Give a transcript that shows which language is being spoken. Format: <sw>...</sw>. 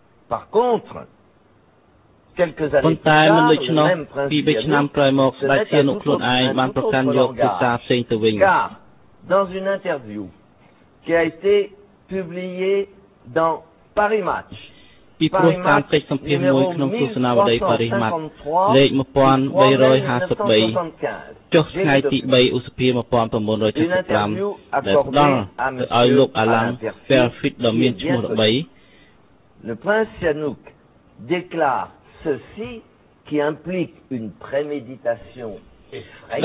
<km>ប៉ុន្តែមិនដូច្នោះពីឆ្នាំក្រោយមកសាធារណៈខ្លួនឯងបានប្រកាសយកភាសាផ្សេងទៅវិញ</km> <fr>Dans une interview qui a été publiée dans Paris Match.</fr> <km>ពីព្រោះតាមកិច្ចសម្ភារមួយក្នុងទស្សនាវដ្តីបរិមាត្រលេខ1353ចុះថ្ងៃទី3ឧសភា1975ដែលផ្ដល់ទៅឲ្យលោកអាឡាំងសែលហ្វីតដ៏មានឈ្មោះល្បី</km> <fr>Le prince Sihanouk déclare ceci qui implique une préméditation effrayante</fr>